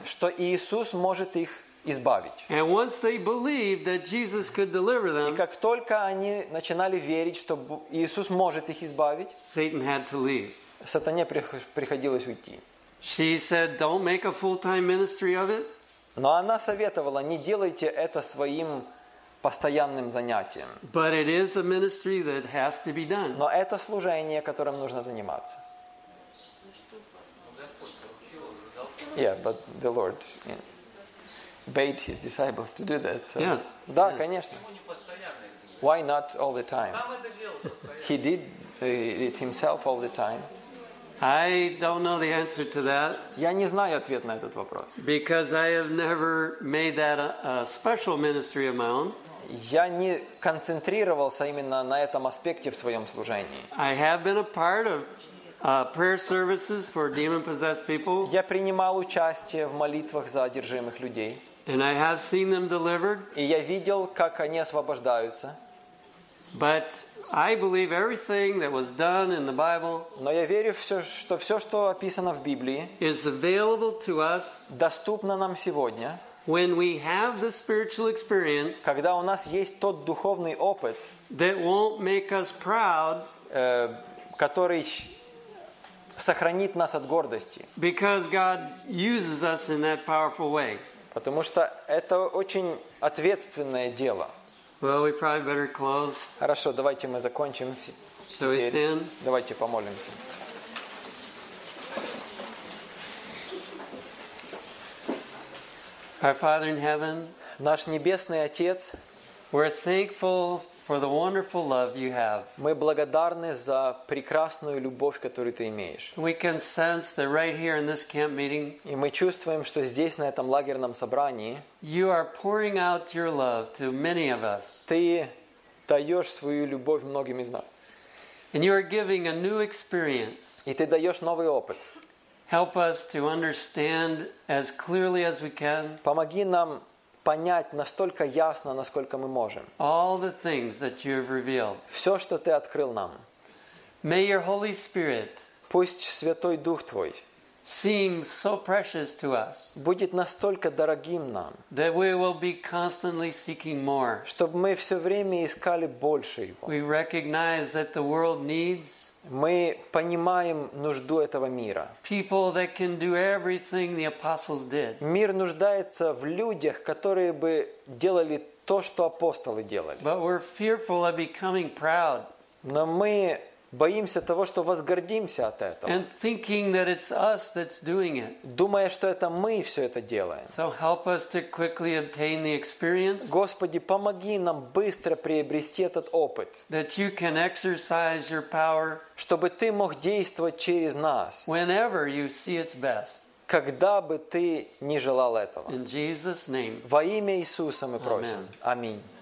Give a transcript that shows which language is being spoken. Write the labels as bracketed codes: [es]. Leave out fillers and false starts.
[ru] Что Иисус может их избавить. [en] And once they believed that Jesus could deliver them. [ru] И как только они начинали верить, что Иисус может их избавить, [en] Satan had to leave. [ru] Сатане приходилось уйти. [en] She said, "Don't make a full-time ministry of it." [ru] Но она советовала: не делайте это своим постоянным занятием. [en] But it is a ministry that has to be done. [ru] Но это служение, которым нужно заниматься. [en] Yeah, but the Lord bade his disciples to do that. So. Yes. [ru] Да, [en] yes. [ru] Конечно. [en] Why not all the time? He did it himself all the time. I don't know the answer to that. [ru] Я не знаю ответ на этот вопрос. [en] Because I have never made that a special ministry of my own. [ru] Я не концентрировался именно на этом аспекте в своем служении. [en] I have been a part of prayer services for demon-possessed people. [ru] Я принимал участие в молитвах за одержимых людей. [en] And I have seen them delivered. [ru] И я видел, как они освобождаются. [en] But I believe everything that was done in the Bible. [ru] Но я верю все, что описано в Библии, [en] is available to us. [ru] Доступно нам сегодня. [en] When we have the spiritual experience. [ru] Когда у нас есть тот духовный опыт. [en] That won't make us proud. [ru] Который сохранит нас от гордости. [en] Because God uses us in that powerful way. [ru] Потому что это очень ответственное дело. [en] Well, we probably better close. [ru] Хорошо, давайте мы закончим. [en] Shall we stand? [ru] Давайте помолимся. [en] Our Father in heaven. [ru] Наш небесный Отец. [en] We're thankful for the wonderful love you have. [ru] Мы благодарны за прекрасную любовь, которую ты имеешь. [en] We can sense that right here in this camp meeting. [ru] И мы чувствуем, что здесь, на этом лагерном собрании, [en] you are pouring out your love to many of us. [ru] Ты даёшь свою любовь многим из нас. [en] And you are giving a new experience. [ru] И ты даёшь новый опыт. [en] Help us to understand as clearly as we can. [ru] Помоги нам понять настолько ясно, насколько мы можем. [en] All the things that you have revealed. [ru] Все, что ты открыл нам. [en] May your Holy Spirit. [ru] Пусть Святой Дух твой. [en] Seem so precious to us. [ru] Будет настолько дорогим нам. [en] That we will be constantly seeking more. [ru] Чтобы мы все время искали больше его. [en] We recognize that the world needs. [ru] Мы понимаем нужду этого мира. [en] People that can do everything the apostles did. [ru] Мир нуждается в людях, которые бы делали то, что апостолы делали. [en] But we're fearful of becoming proud. [ru] Но мы боимся того, что возгордимся от этого. [en] And thinking that it's us that's doing it. [ru] Думая, что это мы все это делаем. [en] So help us to quickly obtain the experience. [ru] Господи, помоги нам быстро приобрести этот опыт. [en] That you can exercise your power. [ru] Чтобы ты мог действовать через нас. [en] Whenever you see it's best. [ru] Когда бы ты не желал этого. [en] In Jesus' name. [ru] Во имя Иисуса мы просим. Аминь.